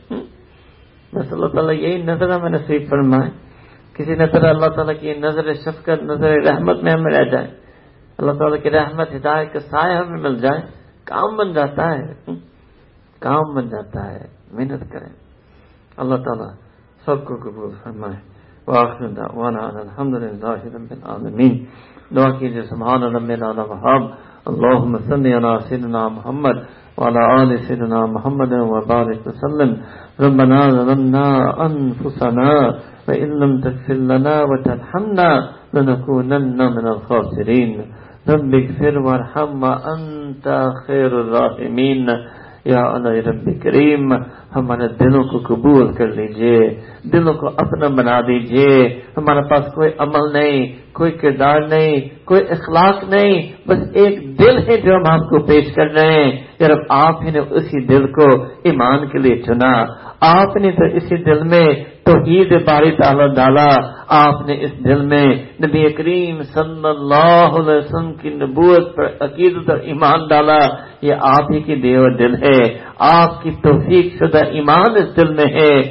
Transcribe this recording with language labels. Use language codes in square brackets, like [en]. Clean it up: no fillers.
[ur] بس اللہ تعالیٰ یہی نظر ہمیں نصیب فرمائے، کسی نظر اللہ تعالیٰ کی نظر شفقت، نظر رحمت میں ہمیں رہ جائے، اللہ تعالیٰ کی رحمت ہدایت کا سایہ ہمیں مل جائے، کام بن جاتا ہے، کام بن جاتا ہے، محنت کریں. اللہ تعالیٰ سب کو قبول فرمائے. [ar] وآخر دعوانا الحمدللہ شہید العالمین. [ur] دعا کیجیے، [ar] سبحان رب العالم حب، اللهم صل على سيدنا محمد وعلى آل سيدنا محمد وبارك وسلم. ربنا ظلمنا أنفسنا وإن لم تغفر لنا وترحمنا لنكونن من الخاسرين. رب اغفر وارحم وأنت خير الراحمين. [ur] یا علی رب کریم، ہمارے دلوں کو قبول کر لیجئے، دلوں کو اپنا بنا دیجئے، ہمارے پاس کوئی عمل نہیں، کوئی کردار نہیں، کوئی اخلاق نہیں، بس ایک دل ہے جو ہم آپ کو پیش کر رہے ہیں. یا رب آپ ہی نے اسی دل کو ایمان کے لیے چنا، آپ نے تو اسی دل میں توحید باری تعالیٰ ڈالا، آپ نے اس دل میں نبی کریم صلی اللہ علیہ وسلم کی نبوت پر عقیدت اور ایمان ڈالا، یہ آپ ہی کی دیو دل ہے، آپ کی توفیق شدہ ایمان اس دل میں ہے.